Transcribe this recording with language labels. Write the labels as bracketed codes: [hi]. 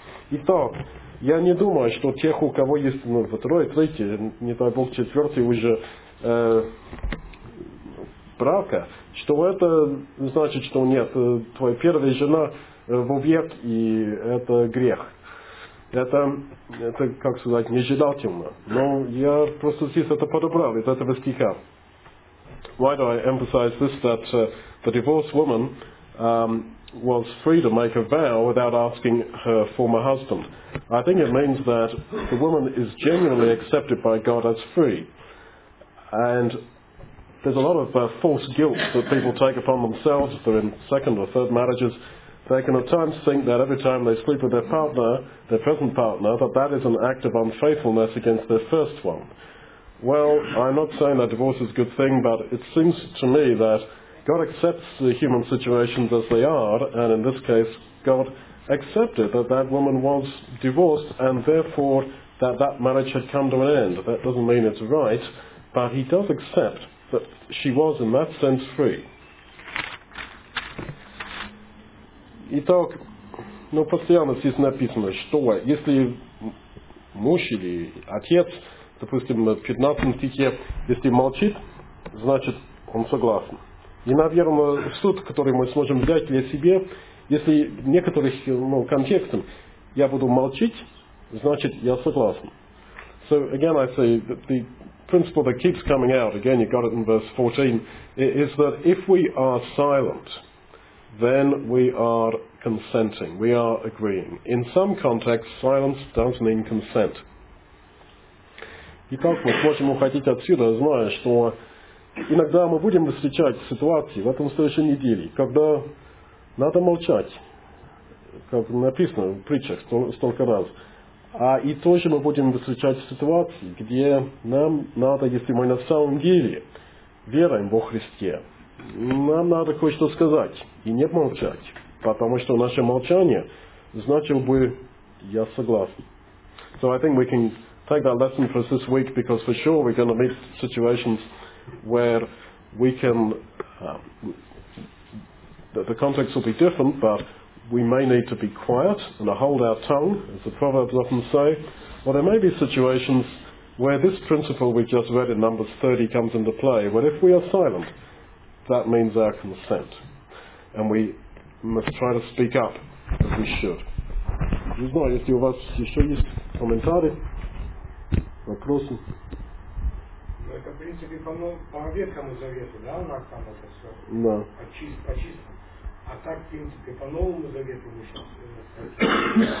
[ru] Итак, я не думаю, что тех, у кого есть, ну, второй, третий, не дай бог, четвертый уже брака, что это значит, что нет, твоя первая жена в объект, и это грех. Это, как сказать, нежелательно. Но я просто здесь это подобрал из этого стиха. [en] Why do I emphasize this, that the divorced woman was free to make a vow without asking her former husband? I think it means that the woman is genuinely accepted by God as free. And there's a lot of false guilt that people take upon themselves if they're in second or third marriages. They can at times think that every time they sleep with their partner, their present partner, that is an act of unfaithfulness against their first one. Well, I'm not saying that divorce is a good thing, but it seems to me that God accepts the human situations as they are, and in this case, God accepted that woman was divorced, and therefore that marriage had come to an end. That doesn't mean it's right, but he does accept that she was, in that sense, free. [ru] Итак, ну, постоянно здесь написано, что если муж или отец, допустим, в 15 стихе, если молчит, значит, он согласен. И, наверное, суд, который мы сможем взять для себя, если в некоторых, ну, контекстах я буду молчить, значит, я согласен. [en] So, again, I say that the principle that keeps coming out, again, you got it in verse 14, is that if we are silent, then we are consenting, we are agreeing. In some contexts, silence does mean consent. [ru] Итак, мы сможем уходить отсюда, зная, что иногда мы будем встречать ситуации в этом следующей неделе, когда надо молчать, как написано в притчах столько раз. А и тоже мы будем встречать ситуации, где нам надо, если мы на самом деле веруем во Христе, нам надо кое-что сказать и не молчать, потому что наше молчание значило бы «я согласен». [en] So I think we can take that lesson for us this week, because for sure we're going to meet situations where we can, the context will be different, but we may need to be quiet and hold our tongue, as the Proverbs often say. Well, there may be situations where this principle we just read in Numbers 30 comes into play, where if we are silent, that means our consent. And we must try to speak up as we should. [ru] Не знаю, если у вас еще есть комментарии, вопросы. Это, в принципе, по Ветхому Завету, да, у нас там это все? Да. Очистка. А так, в принципе, по Новому Завету мы сейчас...